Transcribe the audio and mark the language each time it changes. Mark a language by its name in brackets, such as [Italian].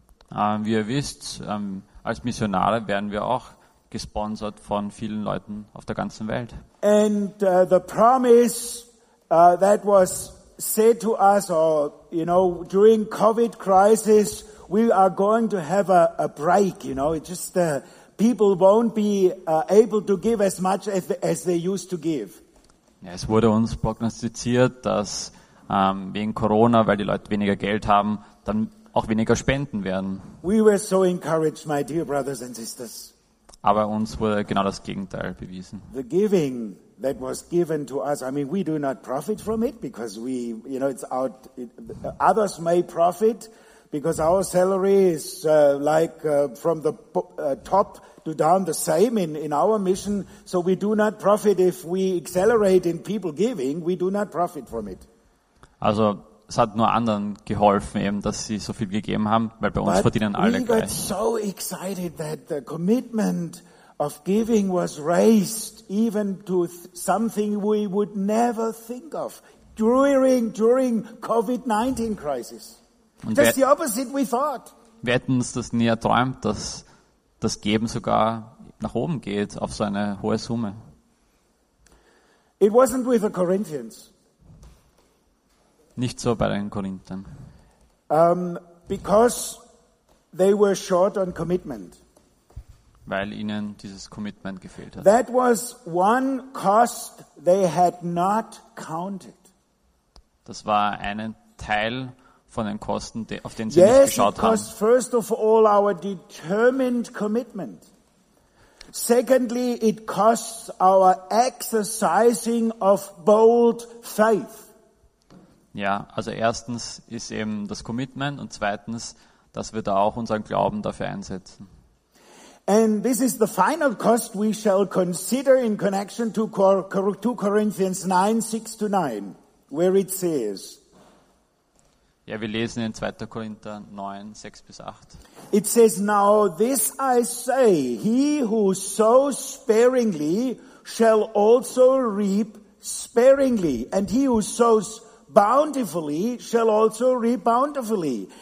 [German] Wie ihr wisst, als Missionare werden wir auch gesponsert von vielen Leuten auf der ganzen Welt. [English] And the promise that was said to us, or you know, during COVID crisis, we are going to have a break. You know, it's just people won't be able to give as much as they used to give. [German] Ja, es wurde uns prognostiziert, dass wegen Corona, weil die Leute weniger Geld haben, dann auch weniger spenden werden. [English] We were so encouraged, my dear brothers and sisters. [German] Aber uns wurde genau das Gegenteil bewiesen. [English] The giving that was given to us, I mean, we do not profit from it, because we, you know, it's out, others may profit, because our salary is like from the top to down the same in our mission, so we do not profit if we accelerate in people giving, we do not profit from it. [German] Also, es hat nur anderen geholfen, eben, dass sie so viel gegeben haben, weil bei uns [English] But [German] verdienen alle gleich. [English] But we got so excited that the commitment of giving was raised even to something we would never think of during COVID-19 crisis. Just the opposite we thought. [German] Wir hätten uns das nie erträumt, dass das Geben sogar nach oben geht auf so eine hohe Summe. [English] It wasn't with the Corinthians. [German] Nicht so bei den Korinthern. [English] Because they were short on commitment. [German] Weil ihnen dieses Commitment gefehlt hat. [English] That was one cost they had not counted. [German] Das war ein Teil von den Kosten, auf den sie [English] yes, [German] nicht geschaut haben. [English] Yes, it cost first of all our determined commitment. Secondly, it costs our exercising of bold faith. [German] Ja, also erstens ist eben das Commitment und zweitens, dass wir da auch unseren Glauben dafür einsetzen. [English] And this is the final cost we shall consider in connection to 2 Corinthians 9, 6 to 9, where it says. [German] Ja, wir lesen in 2. Korinther 9, 6 bis 8. [English] It says, now this I say, he who sows sparingly shall also reap sparingly, and he who sows bountifully shall also reap bountifully.